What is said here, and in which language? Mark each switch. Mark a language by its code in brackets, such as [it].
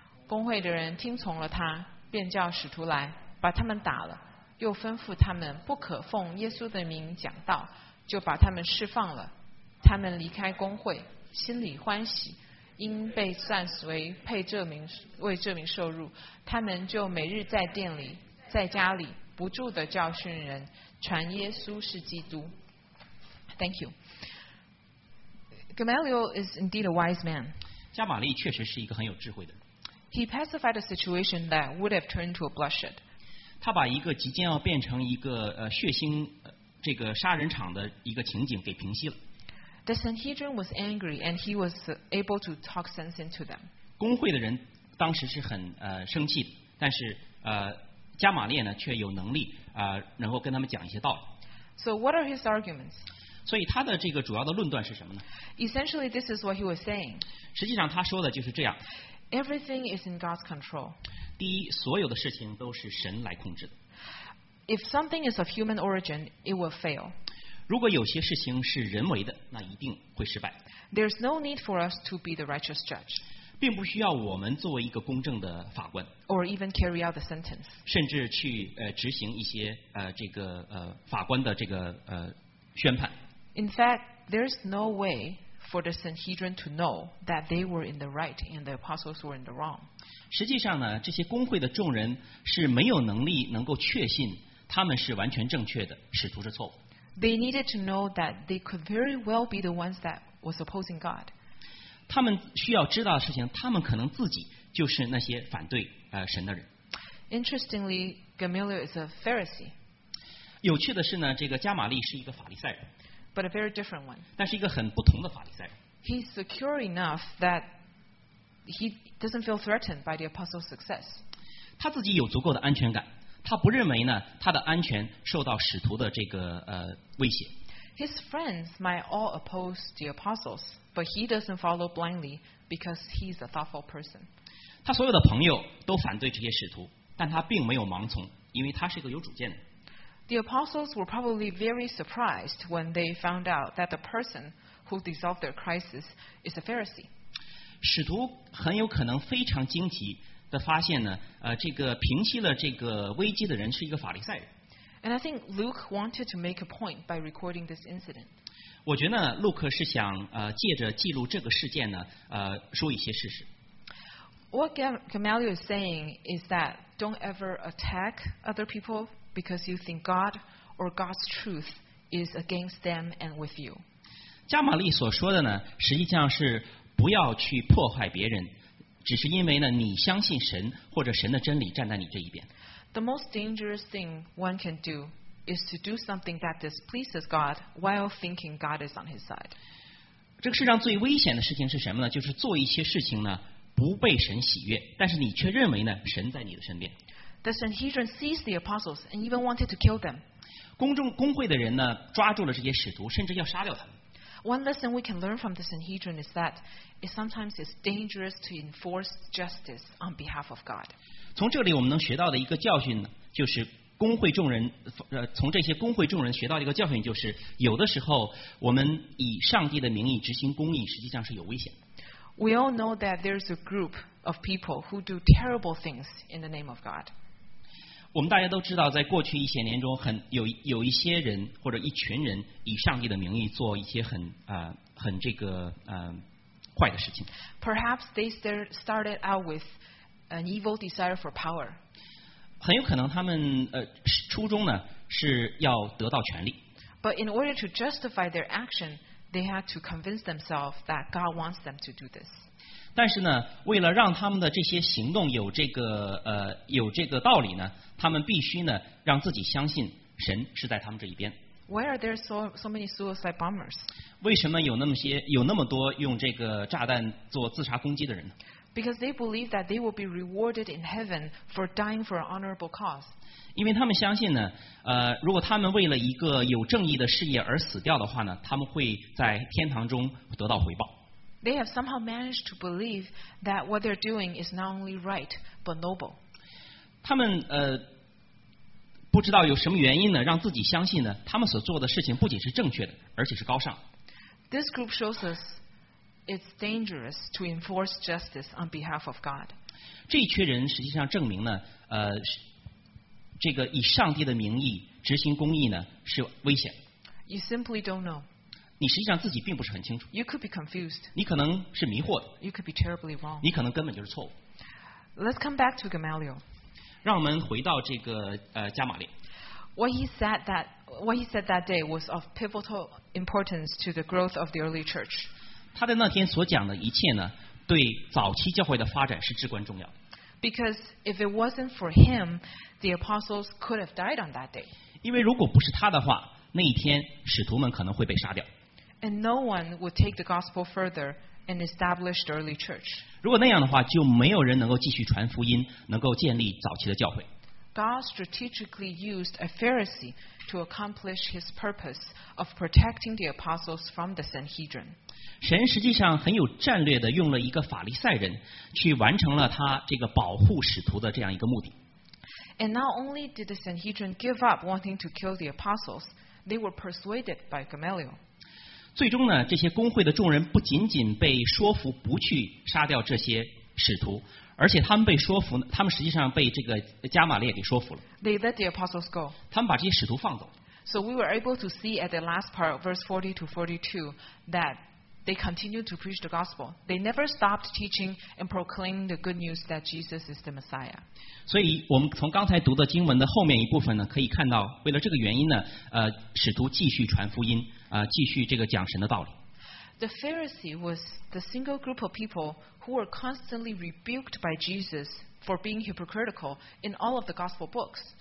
[zh] 公会的人听从了他，便叫使徒来把他们打了，又吩咐他们不可奉耶稣的名讲道，就把他们释放了。他们离开公会，心里欢喜，因被算为配这名为这名受辱。他们就每日在殿里，在家里不住的教训人，传耶稣是基督。 [en] Thank you. Gamaliel is indeed a wise man. [zh] 加玛利确实是一个很有智慧的人。 [en] He pacified a situation that would have turned to a bloodshed. [zh] 他把一个即将要变成一个血腥这个杀人场的一个情景给平息了。 [en] The Sanhedrin was angry and he was able to talk sense into them. [zh] 公会的人当时是很生气，但是加玛列呢却有能力能够跟他们讲一些道理。 [en] So what are his arguments? [zh] 所以他的这个主要的论断是什么呢？ [en] Essentially, this is what he was saying. [zh] 实际上他说的就是这样。 [en] Everything is in God's control. [zh] 第一，所有的事情都是神来控制的。 [en] If something is of human origin, it will fail. [zh] 如果有些事情是人为的，那一定会失败。 [en] There's no need for us to be the righteous judge. [zh] 并不需要我们作为一个公正的法官。 [en] Or even carry out the sentence. [zh] 甚至去执行一些这个法官的这个宣判。 [en] In fact, there's no way. For the Sanhedrin to know that they were in the right and the apostles were in the wrong. [zh] 实际上呢，这些公会的众人是没有能力能够确信他们是完全正确的，使徒是错误。 [en] They needed to know that they could very well be the ones that was opposing God. [zh] 他们需要知道的事情，他们可能自己就是那些反对神的人。 [en] Interestingly, Gamaliel is a Pharisee. [zh] 有趣的是呢，这个加玛利是一个法利赛人。 [en] But a very different one. [zh] 但是一个很不同的法利赛人。 [en] He's secure enough that he doesn't feel threatened by the apostle's success. [zh] 他自己有足够的安全感，他不认为呢他的安全受到使徒的这个威胁。 [en] His friends might all oppose the apostles, but he doesn't follow blindly because he's a thoughtful person. [zh] 他所有的朋友都反对这些使徒，但他并没有盲从，因为他是一个有主见的。 [en] The apostles were probably very surprised when they found out that the person who dissolved their crisis is a Pharisee. [zh] 使徒很有可能非常惊奇的发现呢，这个平息了这个危机的人是一个法利赛人。 [en] And I think Luke wanted to make a point by recording this incident. [zh] 我觉得路克是想借着记录这个事件呢，说一些事实。 [en] What Gamaliel is saying is that don't ever attack other people because you think God or God's truth is against them and with you. [zh] 加玛利所说的呢，实际上是不要去破坏别人，只是因为呢，你相信神或者神的真理站在你这一边。 [en] The most dangerous thing one can do is to do something that displeases God while thinking God is on his side. [zh] 这个世上最危险的事情是什么呢？就是做一些事情呢，不被神喜悦，但是你却认为呢，神在你的身边。 [en] The Sanhedrin seized the apostles and even wanted to kill them. [zh] 公会的人呢，抓住了这些使徒，甚至要杀掉他们。 [en] One lesson we can learn from the Sanhedrin is that it sometimes is dangerous to enforce justice on behalf of God. [zh] 从这里我们能学到的一个教训呢，就是公会众人，从这些公会众人学到一个教训，就是有的时候我们以上帝的名义执行公义，实际上是有危险。 [en] We all know that there's a group of people who do terrible things in the name of God. [zh] 我们大家都知道，在过去一些年中，有一些人或者一群人以上帝的名义做一些坏的事情。 [en] Perhaps they started out with an evil desire for power. [zh] 很有可能他们初衷呢是要得到权力。 [en] But in order to justify their action,They had to convince themselves that God wants them to do this. [zh] 但是呢，为了让他们的这些行动有这个道理呢，他们必须呢让自己相信神是在他们这一边。 [en] Why are there so many suicide bombers? [zh] 为什么有那么多用这个炸弹做自杀攻击的人呢？ [en] Because they believe that they will be rewarded in heaven for dying for an honorable cause. [zh] 因为他们相信呢，如果他们为了一个有正义的事业而死掉的话呢，他们会在天堂中得到回报。 [en] They have somehow managed to believe that what they're doing is not only right but noble. [zh] 他们不知道有什么原因呢，让自己相信呢，他们所做的事情不仅是正确的，而且是高尚。 [en] This group shows us it's dangerous to enforce justice on behalf of God. [zh] 这一群人实际上证明呢，这个以上帝的名义执行公义呢是危险。 [en] You simply don't know. [zh] 你实际上自己并不是很清楚。 [en] You could be confused. [zh] 你可能是迷惑的。 [en] You could be terribly wrong. [zh] 你可能根本就是错误。 [en] Let's come back to Gamaliel. [zh] 让我们回到这个加玛利。 [en] What he said that day was of pivotal importance to the growth of the early church. [zh] 他在那天所讲的一切呢，对早期教会的发展是至关重要的。 [en] Because if it wasn't for him, the apostles could have died on that day. [zh] 因为如果不是他的话，那一天使徒们可能会被杀掉。 [en] And no one would take the gospel further and establish the early church. [zh] 如果那样的话，就没有人能够继续传福音，能够建立早期的教会。 [en] God strategically used a Pharisee to accomplish his purpose of protecting the apostles from the Sanhedrin. [zh] 神实际上很有战略的用了一个法利赛人去完成了他这个保护使徒的这样一个目的。 [en] And not only did the Sanhedrin give up wanting to kill the apostles, they were persuaded by Gamaliel. [zh] 最终呢，这些公会的众人不仅仅被说服不去杀掉这些使徒，而且他们被说服，他们实际上被这个加玛列给说服了。 [en] They let the apostles go. [zh] 他们把这些使徒放走。 [en] So we were able to see at the last part, verse 40-42, that they continued to preach the gospel. They never stopped teaching and proclaiming the good news that Jesus is the Messiah. [zh] 所以我们从刚才读的经文的后面一部分呢，可以看到，为了这个原因呢，使徒继续传福音，继续这个讲神的道理。 [en] The Pharisee was the single group of people who were constantly rebuked by Jesus for being hypocritical in all of the gospel books.